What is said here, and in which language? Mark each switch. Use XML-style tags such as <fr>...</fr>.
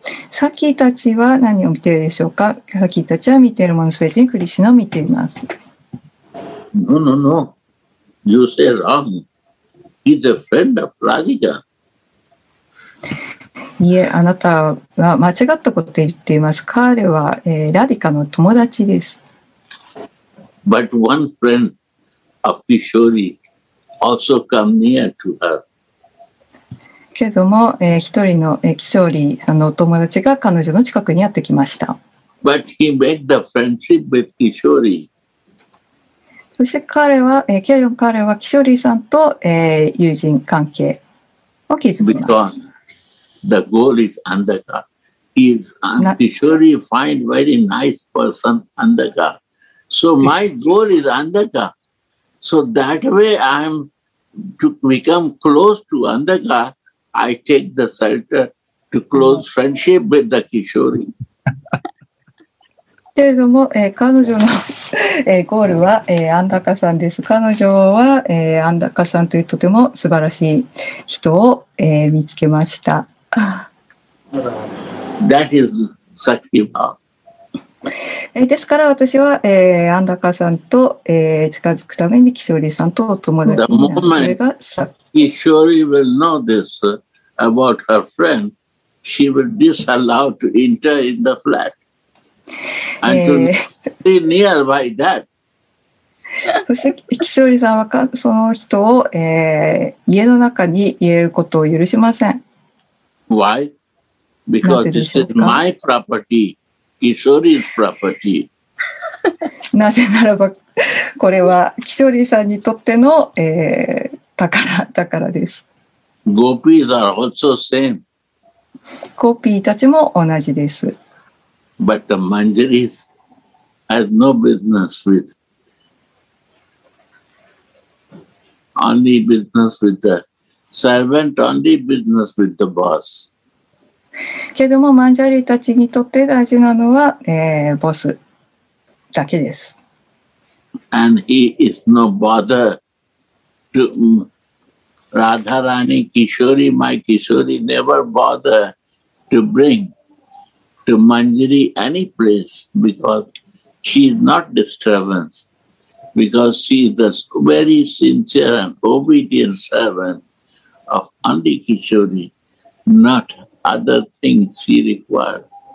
<ja>サキたちは何を見ているでしょうか。サキたちは見ているものすべてにクリシュナを見ています。</ja> <en>No, no, no. You say wrong. He's a friend of Radhika.</en> <ja>いえ、あなたは間違ったことを言っています。彼は、ラディカの友達です。</ja> <en>But one friend of Kishori also come near to her.</en> <ja>けども、一人のキショーリーさんのお友達が彼女の近くにやってきました。</ja> <en>But he made the friendship with Kishori.</en> <ja>そして彼はキショーリーさんと、友人関係を築きます。</ja> <en>Because the goal is Andhaka. If Kishori find very nice person Andhaka. So my goal is Andhaka. So that way I am to become close to Andhaka. I take the shelter to close friendship with the Kishori.</en> <ja>けれども、彼女の、ゴールは、アンダカさんです。彼女は、アンダカさんというとても素晴らしい人を、見つけました。</ja> <en>That is Sakhiva.</en> <ja>ですから私は、アンダカさんと、近づくためにキショーリーさんと友達になる。</ja> <en>Kishori will know this. About her friend, she will disallow to enter in the flat. And to be near by that.</en> <ja>そして、キショーリさんはその人を、家の中に入れることを許しません。</ja> <en>Why? Because this is my property, Kishori's property.</en> <ja>なぜならば、これはキショーリさんにとっての、宝です。</ja> <en>Gopis are also same.</en> <ja>ゴピーたちも同じです。</ja> <en>But the Manjaris has no business with. Only business with the servant, only business with the boss.</en> <ja>けども、マンジャリたちにとって大事なのは、ボスだけです。</ja> <en>And he is no bother to. Radharani, Kishori, my Kishori, never bother to bring to Manjari any place because she is not disturbance, because she is the very sincere and obedient servant of only Kishori, not other things she requires.</en>